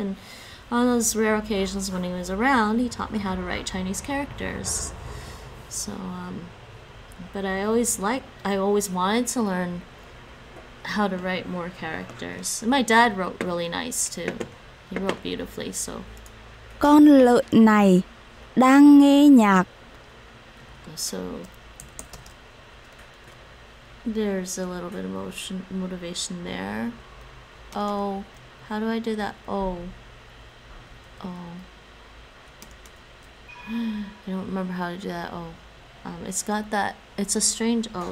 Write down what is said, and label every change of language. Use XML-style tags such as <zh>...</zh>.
<en>And on those rare occasions when he was around, he taught me how to write Chinese characters. So, but I always wanted to learn how to write more characters. And my dad wrote really nice, too. He wrote beautifully, so.</en> <vi>Con lợn này đang nghe nhạc.</vi> <en>So, there's a little bit of motivation there. Oh, how do I do that? Oh. Oh. I don't remember how to do that O. It's got that, it's a strange O.</en>